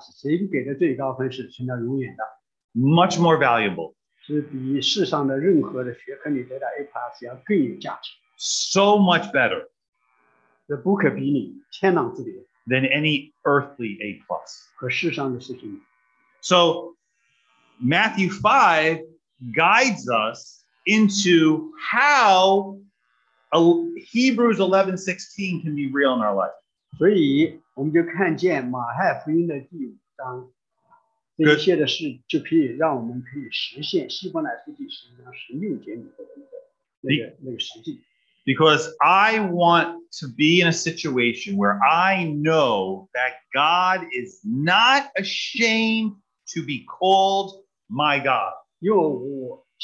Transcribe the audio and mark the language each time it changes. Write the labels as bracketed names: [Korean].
[Chinese] 神给的A+，神给的最高分是存到永远的。 [English] Much more valuable. [Chinese] 是比世上的任何的学科，你得到A+要更有价值。 [English] So much better. [Chinese] 这不可比拟，天壤之别。 [English] Than any earthly A+. [Chinese] 和世上的事情。 [English] So Matthew 5 guides us into how Hebrews 11:16 can be real in our life. [Chinese] 所以我们就看见马太福音的第五章。 [English] Because I want to be in a situation where I know that God is not ashamed to be called my God.